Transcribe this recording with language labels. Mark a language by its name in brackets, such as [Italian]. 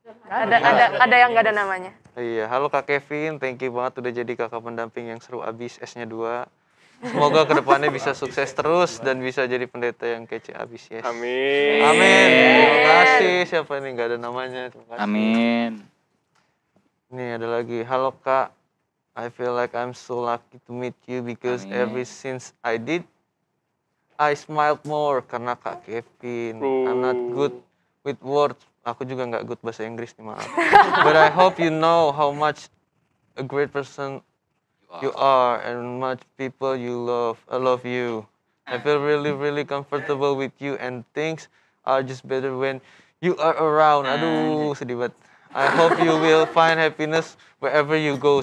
[Indonesian] Ada yang gak ada namanya. Iya, halo Kak Kevin, [English] thank you [Indonesian] banget udah jadi kakak pendamping yang seru abis S-nya 2. Semoga kedepannya bisa sukses terus dan bisa jadi pendeta yang kece abis ya. Amin. Terima kasih, siapa ini gak ada namanya. Amin. Ini ada lagi, halo Kak, [English] I feel like I'm so lucky to meet you because ever since I did, I smiled more [Indonesian] karena [English] Kak Kevin. I'm not good with words. [Indonesian] Aku juga gak good bahasa Inggris nih, maaf. [English] But I hope you know how much a great person you are and much people you love. I love you. I feel really, really comfortable with you and things are just better when you are around. [Indonesian] Aduh, sedih banget. [English] I hope you will find happiness wherever you go.